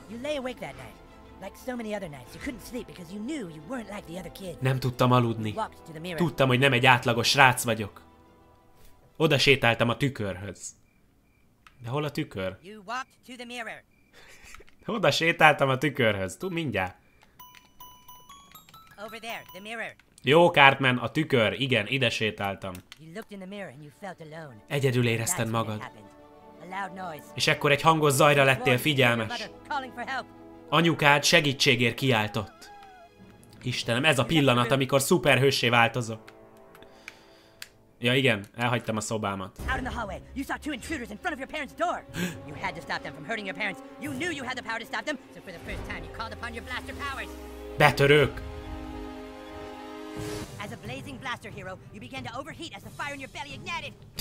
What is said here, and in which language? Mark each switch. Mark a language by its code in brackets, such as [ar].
[en] You lay awake that night, like so many other nights. You couldn't sleep because you knew you weren't like the other kids. [hu] Nem tudtam aludni. Tudtam, hogy nem egy átlagos srác vagyok. Oda sétáltam a tükörhöz. De hol a tükör? [en] You walked to the mirror. [hu] Oda sétáltam a tükörhöz. Tud mindjárt. [en] Over there, the mirror. [hu] Jó, Cartman, a tükör. Igen, ide sétáltam. [en] You looked in the mirror and you felt alone. [hu] Egyedül érezted magad. [en] A loud noise. [hu] És ekkor egy hangos zajra lettél figyelmes. Anyukád segítségért kiáltott. Istenem, ez a pillanat, amikor szuperhőssé változok. Ja igen, elhagytam a szobámat. [en] Out in the hallway, you saw two intruders in front of your parents' door. You had to stop them from hurting your parents. You knew you had the power to stop them, so for the first time you called upon your blaster powers. [hu] Betörők. [en] As a blazing blaster hero, you began to overheat as the fire in your belly ignited.